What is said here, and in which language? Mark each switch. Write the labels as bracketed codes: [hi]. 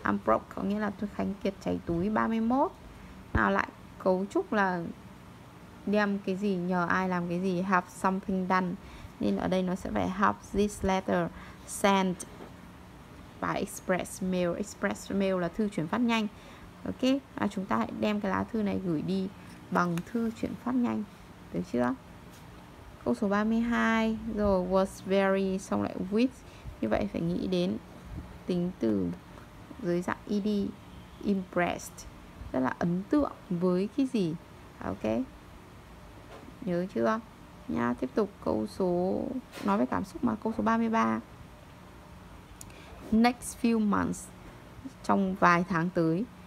[en] I'm broke [vi] có nghĩa là tôi khánh kiệt, cháy túi. 31 nào, lại cấu trúc là đem cái gì, nhờ ai làm cái gì, [en] have something done. [vi] Nên ở đây nó sẽ phải [en] have this letter sent by express mail. [vi] Express mail là thư chuyển phát nhanh. Ok, à, chúng ta hãy đem cái lá thư này gửi đi bằng thư chuyển phát nhanh. Được chưa? Câu số 32 rồi, was very, xong lại with. Như vậy phải nghĩ đến tính từ dưới dạng ed, impressed, tức là ấn tượng với cái gì. Ok, nhớ chưa nha. Tiếp tục câu số, nói về cảm xúc mà. Câu số 33, [en] next few months, [vi] trong vài tháng tới.